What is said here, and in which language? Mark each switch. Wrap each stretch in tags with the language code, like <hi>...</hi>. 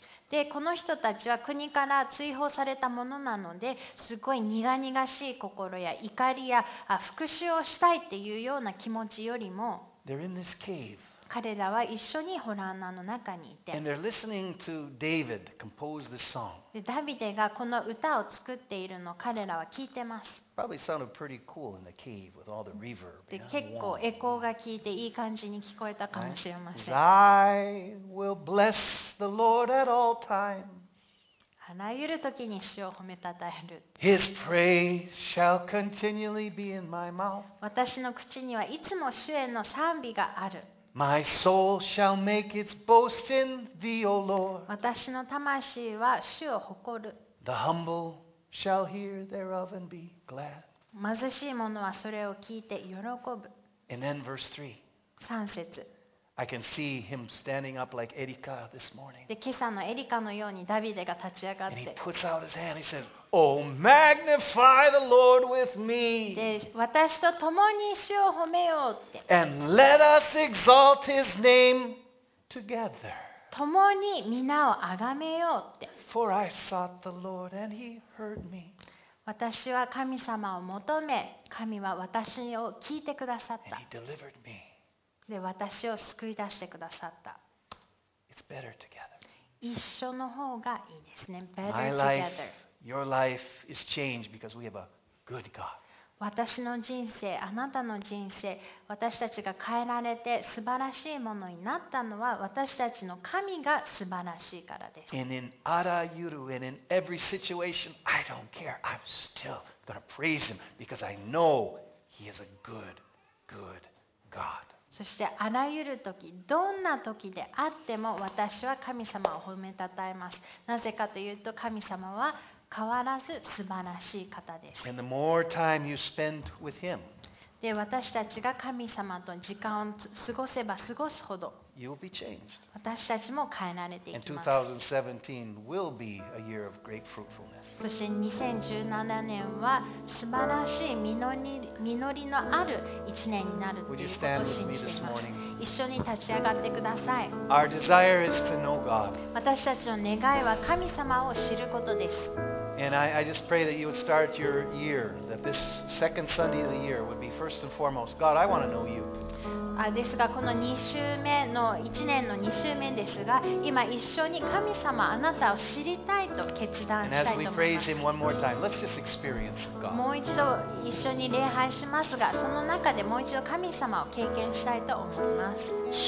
<ja>で、この人たちは国から追放されたものなので、すごい苦々しい心や怒りや復讐をしたいっていうような気持ちよりも、</ja> <en>they're in this cave.</en> <ja>彼らは一緒にホラー穴の中にいて、</ja> <en>and they're listening to David compose this song.</en> <ja>で、ダビデがこの歌を作っているのを彼らは聞いてます。</ja> <en>Probably sounded pretty cool in the cave with all the reverb.</en> <ja>で、結構エコーが効いていい感じに聞こえたかもしれません。</ja> <en>I will bless the Lord at all times.</en> <ja>あらゆる時に主を褒めたたえる。</ja> <en>His praise shall continually be in my mouth.</en> <ja>私の口にはいつも主への賛美がある。</ja> <en>My soul shall make its boast in thee, O Lord.</en> <ja>私の魂は主を誇る。</ja> <en>The humble. Shall hear thereof and be glad.</en> <ja>貧しい者はそれを聞いて喜ぶ。</ja> <en>And then verse</en> <ja>3節。</ja> <en>I can see him standing up like Erica this morning.</en> <ja>で、今朝のエリカのようにダビデが立ち上がって。</ja> <en>And he puts out his hand. He says, "Oh, magnify the Lord with me."</en> <ja>で、私と共に主を褒めようって。</ja> <en>And let us exalt his name together.</en> <ja>共に皆をあがめようって。</ja> <en>For I sought the Lord and he heard me.</en> <ja>私は神様を求め、神は私を聞いてくださった。</ja> <en>And he delivered me.</en> <ja>で、私を救い出してくださった。</ja> <en>It's better together.</en> <ja>一緒の方がいいですね。</ja> <en>Better together. My life, your life is changed because we have a good God.</en> <ja>私の人生、あなたの人生、私たちが変えられて素晴らしいものになったのは私たちの神が素晴らしいからです。</ja> <en>And in</en> <ja>あらゆる</ja> <en>and in every situation I don't care I'm still going to praise him because I know he is a good, good God.</en> <ja>そしてあらゆる時、どんな時であっても私は神様を褒めたたえます。なぜかというと神様は変わらず素晴らしい方です。</ja> <en>And the more time you spend with him,</en> <ja>で私たちが神様と時間を過ごせば過ごすほど</ja> <en>you'll be changed.</en> <ja>私たちも変えられていきます。</ja> <en>And 2017 will be a year of great fruitfulness.</en> <ja>そして2017年は素晴らしい実りのある1年になるということを信じています。</ja> <en>Would you stand with me this morning?</en> <ja>一緒に立ち上がってください。</ja> <en>Our desire is to know God.</en> <ja>私たちの願いは神様を知ることです。</ja> <en>And I just pray that you would start your year, that this second Sunday of the year would be first and foremost. God, I want to know you.</en> <ja>ですが、この2週目の1年の2週目ですが、今一緒に神様、あなたを知りたいと決断したいと思います。</ja> <en>And as we praise him one more time, let's just experience God.</en> <ja>もう一度一緒に礼拝しますが、その中でもう一度神様を経験したいと思います。</ja>